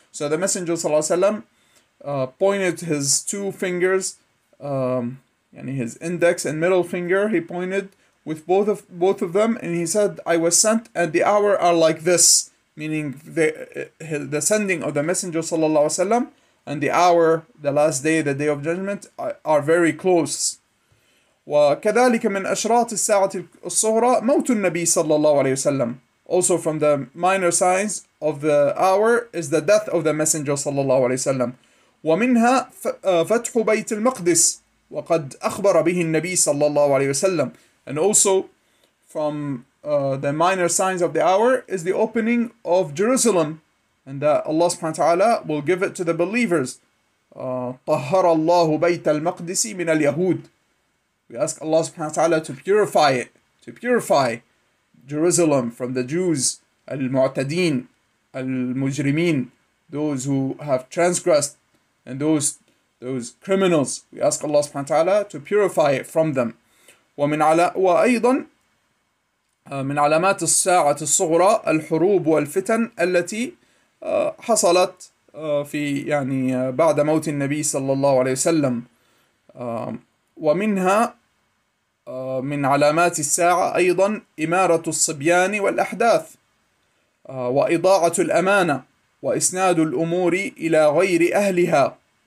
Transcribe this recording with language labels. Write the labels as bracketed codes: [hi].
[en] So the messenger [ar] صلى الله عليه وسلم [en] pointed his two fingers, يعني his index and middle finger, he pointed with both of them and he said I was sent and the hour are like this, meaning the sending of the messenger صلى الله عليه وسلم and the hour, the last day, the day of judgment are very close. [ar] وكذلك من أشراط الساعة الصغرى موت النبي صلى الله عليه وسلم. [en] Also from the minor signs of the hour is the death of the messenger [ar] صلى الله عليه وسلم. ومنها فتح بيت المقدس وقد أخبر به النبي صلى الله عليه وسلم. [en] And also from the minor signs of the hour is the opening of Jerusalem and that Allah [ar] سبحانه وتعالى [en] will give it to the believers. [ar] طهر الله بيت المقدس من اليهود. [en] We ask Allah [ar] subhanahu wa ta'ala [en] to purify it, to purify Jerusalem from the Jews, [ar] al-mu'tadin, al-mujrimin, [en] those who have transgressed, and those criminals. We ask Allah [ar] subhanahu wa ta'ala [en] to purify it from them. [ar] وأيضاً من علامات الساعة الصغرى الحروب والفتن التي حصلت في يعني بعد موت النبي صلى الله عليه وسلم. ومنها من علامات الساعة أيضا إمارة الصبيان والأحداث وإضاعة الأمانة وإسناد الأمور إلى غير أهلها